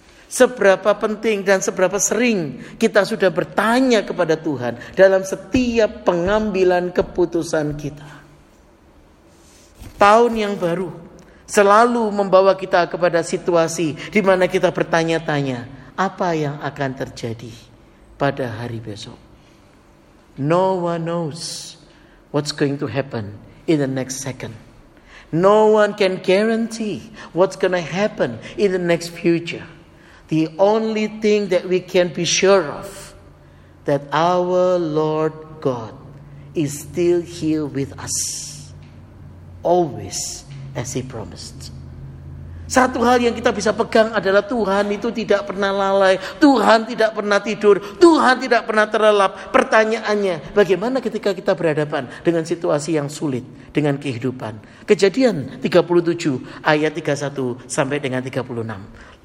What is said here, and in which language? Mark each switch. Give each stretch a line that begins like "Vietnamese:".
Indonesian: Seberapa penting dan seberapa sering kita sudah bertanya kepada Tuhan dalam setiap pengambilan keputusan kita. Tahun yang baru selalu membawa kita kepada situasi di mana kita bertanya-tanya, apa yang akan terjadi pada hari besok?
English: No one knows what's going to happen in the next second. No one can guarantee what's going to happen in the next future. The only thing that we can be sure of, that our Lord God is still here with us, always, as He promised.
Indonesian: Satu hal yang kita bisa pegang adalah Tuhan itu tidak pernah lalai. Tuhan tidak pernah tidur. Tuhan tidak pernah terlelap. Pertanyaannya, bagaimana ketika kita berhadapan dengan situasi yang sulit, dengan kehidupan? Kejadian 37 ayat 31 sampai dengan 36.